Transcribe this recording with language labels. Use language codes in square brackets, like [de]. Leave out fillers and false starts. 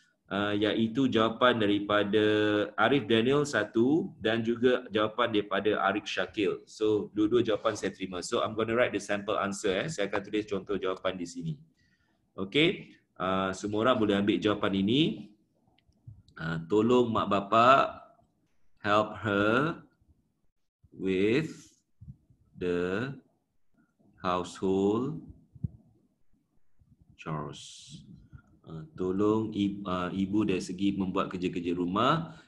[ms] Iaitu jawapan daripada Arif Daniel satu dan juga jawapan daripada Arik Syakil. So, dua-dua jawapan saya terima. [en] So, I'm going to write the sample answer. [ms] Saya akan tulis contoh jawapan di sini. Okay, semua orang boleh ambil jawapan ini. Tolong mak bapak [en] help her with the household chores. [ms] Tolong ibu dari segi membuat kerja-kerja rumah.